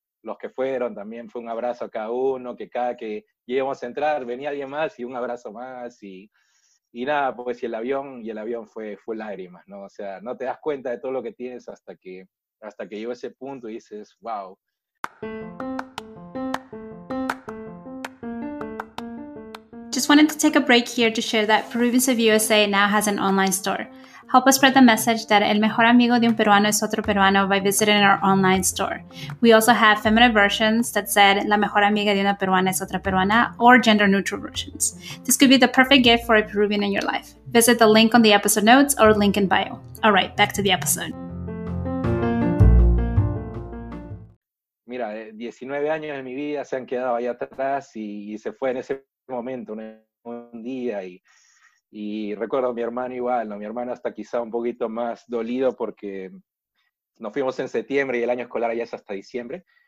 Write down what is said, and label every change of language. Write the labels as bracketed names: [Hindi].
[Spanish] Los que fueron también, fue un abrazo a cada uno, que cada que íbamos a entrar, venía alguien más y un abrazo más. Y nada, pues, y el avión fue lágrimas, ¿no? O sea, no te das cuenta de todo lo que tienes hasta que llegó ese punto y dices, wow. [English] Just wanted to take a break here to share that Peruvians of USA now has an online store. Help us spread the message that [Spanish] el mejor amigo de un peruano es otro peruano [English] by visiting our online store. We also have feminine versions that said [Spanish] la mejor amiga de una peruana es otra peruana, [English] or gender neutral versions. This could be the perfect gift for a Peruvian in your life. Visit the link on the episode notes or link in bio. All right, back to the episode. [Spanish] Mira, 19 años de mi vida se han quedado ahí atrás y se fue en ese momento, un día y... Y recuerdo a mi hermano igual, ¿no? Mi hermano hasta quizá un poquito más dolido porque nos fuimos en septiembre y el año escolar ya es hasta diciembre.